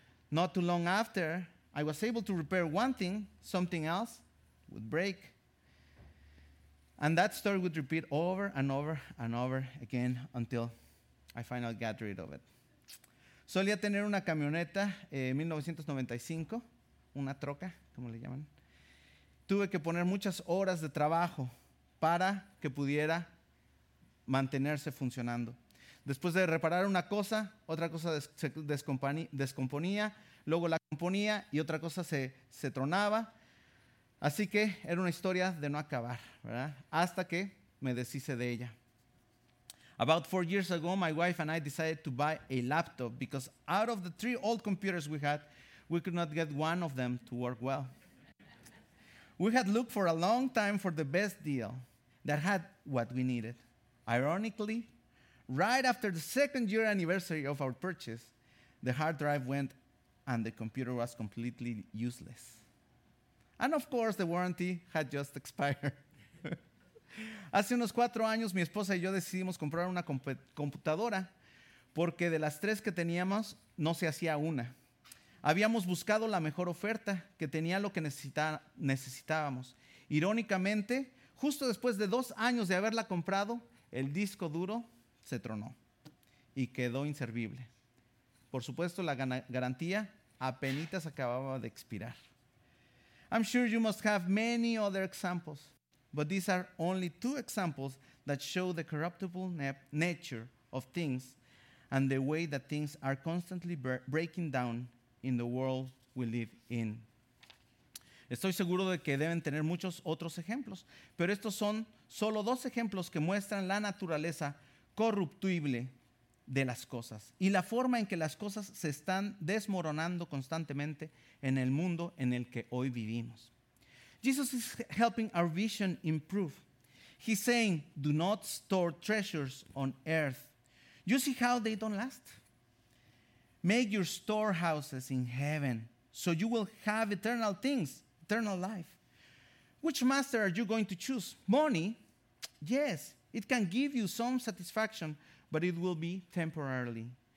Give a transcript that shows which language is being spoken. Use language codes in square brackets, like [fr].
[en] Not too long after, I was able to repair one thing, something else would break. And that story would repeat over and over and over again until I finally got rid of it. [es] Solía tener una camioneta, 1995, una troca, como le llaman. Tuve que poner muchas horas de trabajo para que pudiera mantenerse funcionando. Después de reparar una cosa, otra cosa descomponía, luego la componía y otra cosa se tronaba. Así que era una historia de no acabar, ¿verdad? Hasta que me deshice de ella. [en] About 4 years ago, my wife and I decided to buy a laptop because out of the 3 old computers we had, we could not get one of them to work well. We had looked for a long time for the best deal that had what we needed. Ironically, right after the 2nd year anniversary of our purchase, the hard drive went and the computer was completely useless. And of course, the warranty had just expired. [es] Hace unos 4 años, mi esposa y yo decidimos comprar una computadora porque de las 3 que teníamos, no se hacía una. Habíamos buscado la mejor oferta que tenía lo que necesitábamos. Irónicamente, justo después de 2 años de haberla comprado, el disco duro se tronó y quedó inservible. Por supuesto, la garantía apenas acababa de expirar. [en] I'm sure you must have many other examples, but these are only 2 examples that show the corruptible nature of things and the way that things are constantly breaking down in the world we live in. [es] Estoy seguro de que deben tener muchos otros ejemplos, pero estos son solo 2 ejemplos que muestran la naturaleza corruptible de las cosas y la forma en que las cosas se están desmoronando constantemente en el mundo en el que hoy vivimos. [en] Jesus is helping our vision improve. He's saying, do not store treasures on earth. You see how they don't last? Make your storehouses in heaven so you will have eternal things, eternal life. Which master are you going to choose? Money? Yes, it can give you some satisfaction, but it will be temporarily.